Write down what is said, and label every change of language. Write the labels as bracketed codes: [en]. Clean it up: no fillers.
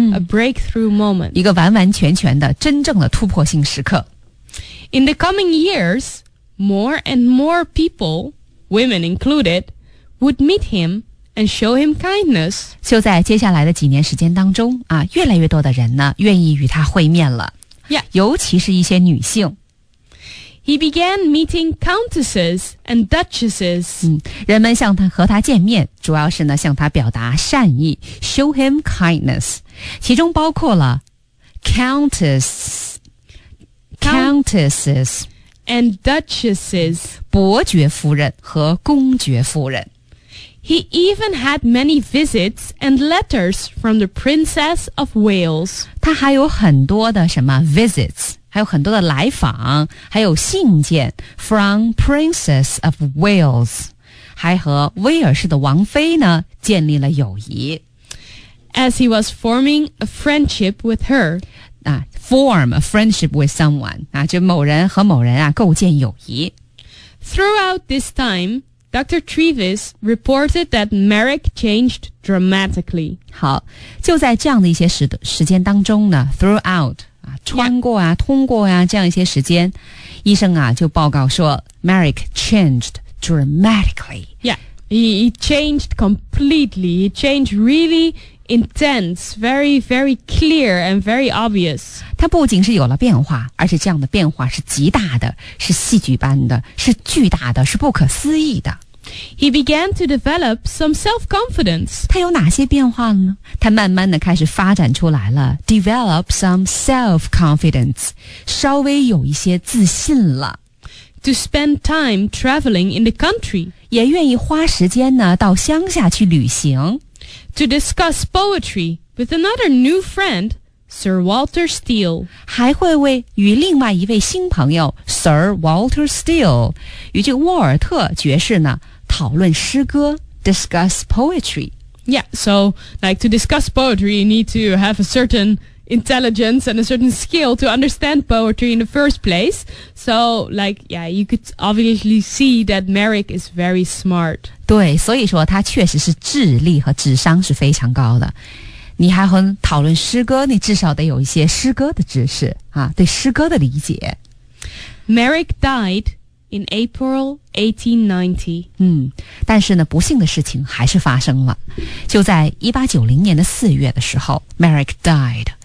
[en] A breakthrough moment. [zh] 一个完完全全的真正的突破性时刻。 [en] In the coming years, more and more people... women included, would meet him and show him kindness. [zh] 就在接下来的几年时间当中啊，越来越多的人呢愿意与他会面了 [en] Yeah. [zh] 尤其是一些女性。 [en] He began meeting countesses and duchesses. [zh] 人们向他和他见面主要是呢向他表达善意 [en] show him kindness. [zh] 其中包括了 countesses. [en] And duchesses. [zh] 伯爵夫人和公爵夫人。 [en] He even had many visits and letters from the Princess of Wales. [zh] 他还有很多的什么 visits, 还有很多的来访,还有信件 [en] from Princess of Wales, [zh] 还和威尔士的王妃呢建立了友谊。 [en] As he was forming a friendship with her, Form a friendship with someone. [zh] 啊，就某人和某人啊，构建友谊。 [en] Throughout this time, Dr. Trevis reported that Merrick changed dramatically. [zh] 好，就在这样的一些时间当中呢 ，throughout 啊，穿过啊， yeah. 通过啊，这样一些时间，医生啊就报告说 ， [en] Merrick changed dramatically. Yeah, he changed completely. He changed really. Intense, very, very clear and very obvious. [zh] 它不仅是有了变化，而且这样的变化是极大的，是戏剧般的，是巨大的，是不可思议的。 [en] He began to develop some self-confidence. [zh] 它有哪些变化呢？它慢慢的开始发展出来了 ， [en] develop some self-confidence， [zh] 稍微有一些自信了。 [en] To spend time traveling in the country. [zh] 也愿意花时间呢，到乡下去旅行。 [en] To discuss poetry with another new friend, Sir Walter Steele. [zh] 还会为与另外一位新朋友 Sir Walter Steele, 与这个沃尔特爵士呢讨论诗歌 [en] discuss poetry. Yeah, so like to discuss poetry, you need to have a certain intelligence and a certain skill to understand poetry in the first place. So, like, yeah, you could obviously see that Merrick is very smart. [zh] 对，所以说他确实是智力和智商是非常高的。你还很讨论诗歌，你至少得有一些诗歌的知识啊，对诗歌的理解。 [en] Merrick died in April 1890. [zh] 但是呢，不幸的事情还是发生了。就在1890年的4月的时候 , [en] Merrick died.